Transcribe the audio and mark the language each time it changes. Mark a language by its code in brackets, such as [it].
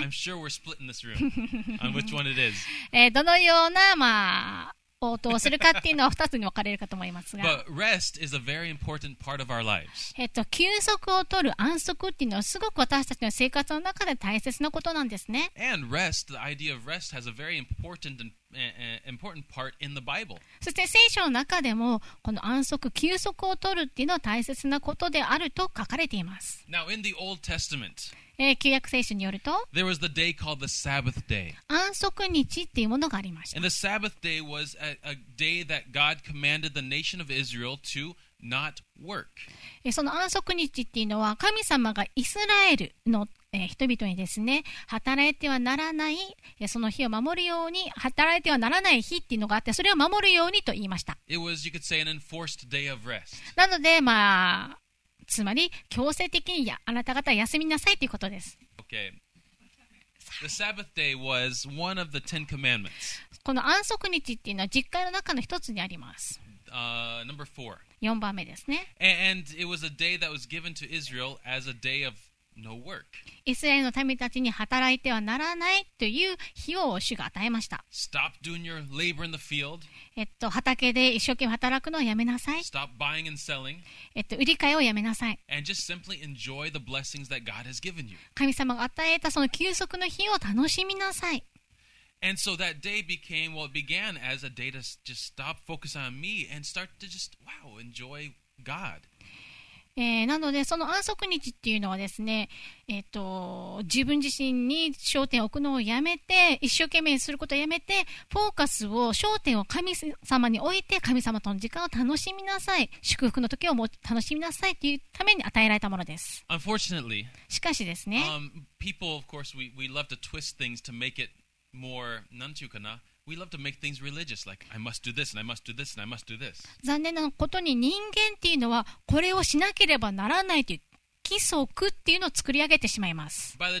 [en] I'm sure we're splitting this room on which one it is. [ja] どのような、応答をするかっていうのは2つに分かれるかと思いますが。 [en] But rest is a very important part of our lives. [ja] 休息を取る安息っていうのはすごく私たちの生活の中で大切なことなんですね。 [en] And rest, the idea of rest has a very important andimportant part in the Bible. [ja] そして聖書の中でもこの安息、休息を取るっていうのは大切なことであると書かれています。 [en] Now, in the Old Testament, [ja] 旧約聖書によると、 [en] there was the day called the Sabbath day. [ja] 安息日っていうものがありました。 [en] And the Sabbath day was a day that God commanded the nation of Israel to not work. [ja] その安息日っていうのは神様がイスラエルの人々にですね、働いてはならない、その日を守るように、働いてはならない日っていうのがあって、それを守るようにと言いました。 [en] It was, you could say, an enforced day of rest. [ja] なので、つまり強制的にあなた方は休みなさいということです。 [en] Okay. The Sabbath day was one of the Ten Commandments. [ja] この安息日っていうのは実戒の中の一つにあります。 [en] Number four. [ja] 4番目ですね。 [en] And it was a day that was given to Israel as a day ofNo、work. [ja] イスラエルの民たちに働いてはならないという日を主が与えました。 [en] Stop doing your labor in the field. [ja] 畑で一生懸命働くのをやめなさい。 [en] Stop buying and selling. [ja] 売り買いをやめなさい。 [en] And just simply enjoy the blessings that God has given you. [ja] 神様が与えたその休息の日を楽しみなさい。 [en] And so that day became, well, it began as a day to just stop focusing on me and start to just, wow, enjoy God. [ja] なのでその安息日っていうのはですね、自分自身に焦点を置くのをやめて一生懸命することをやめてフォーカスを焦点を神様に置いて神様との時間を楽しみなさい祝福の時をも楽しみなさいというために与えられたものです。 [en] Unfortunately, [ja] しかしですね、 [en] people of course we love to twist things to make it more [ja] なんていうかな [en] We love to make things religious, like I must do this and I must do this and I must do this. [ja] 残念なことに人間っていうのはこれをしなければならないという規則っていうのを作り上げてしまいます。